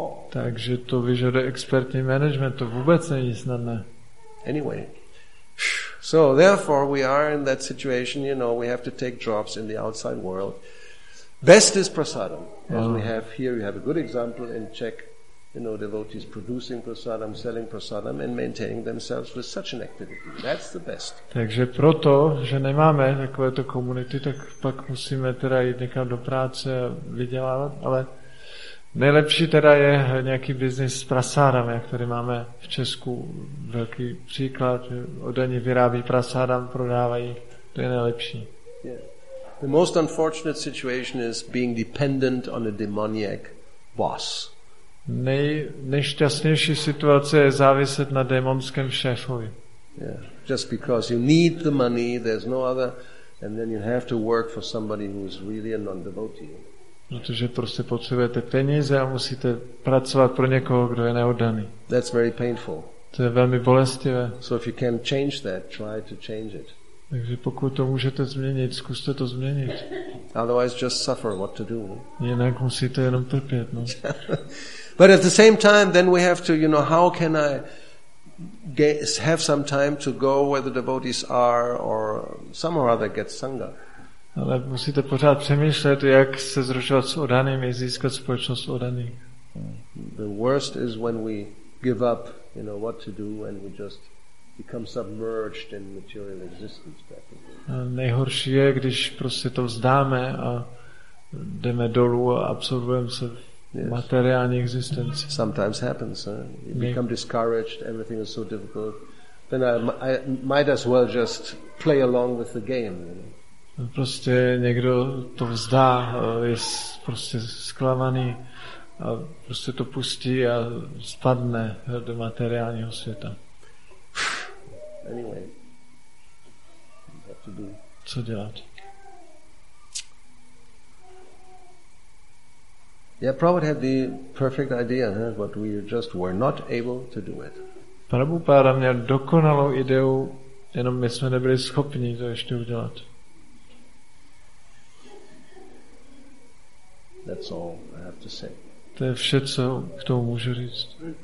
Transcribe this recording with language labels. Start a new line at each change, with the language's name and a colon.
Czech: Takže to vyžaduje expertní management, to vůbec není snadné.
English: Anyway, so therefore we are in that situation, you know, we have to take jobs in the outside world. Best is prasadam, as we have here, you have a good example in Czech, you know, devotees producing prasadam, selling prasadam and maintaining themselves with such an activity. That's the best.
Czech: Takže proto, že nemáme takovéto komunity, tak pak musíme teda jít někam do práce a vydělávat, ale nejlepší teda je nějaký biznis s prasadam, jak tady máme v Česku velký příklad, oni vyrábí prasadam, prodávají, to je nejlepší.
English: Yeah. The most unfortunate situation is being dependent on a demoniac boss.
Czech: Nejnešťastnější situace je záviset na démonském šéfovi.
English: Yeah. Just because you need the money, there's no other, and then you have to work for somebody who is really a non-devotee.
Czech: Protože prostě potřebujete peníze a musíte pracovat pro někoho, kdo je neoddaný.
English: That's very painful.
Czech: To je velmi bolestivé.
English: So if you can change that, try to change it.
Czech: Takže pokud to můžete změnit, zkuste to změnit.
English: Otherwise just suffer, what to do?
Czech: Jinak musíte jenom trpět, no.
English: But at the same time, then we have to, you know, how can I have some time to go where the devotees are or somewhere other get sangha?
Czech: Ale musíte pořád přemýšlet, jak se zrušovat s oddanými, získat společnost oddaných.
English: The worst is when we give up, you know, what to do and we just become submerged in material existence.
Czech: Nejhorší je, když prostě to vzdáme a jdeme dolů a absorbujeme se v materiální existenci.
English: Sometimes happens. You become discouraged. Everything is so difficult. Then I might as well just play along with the game.
Czech: Prostě někdo to vzdá, je prostě zklamaný a prostě to pustí a spadne do materiálního světa.
English: Anyway,
Czech: co dělat?
English: Yeah, Prabhupada had the perfect idea, huh? But we just were not able to do it.
Czech: Prabhupada měl dokonalou ideu, jenom my jsme nebyli schopni to ještě udělat.
English: That's all I have to say.
Czech: To je vše, co k tomu můžu říct.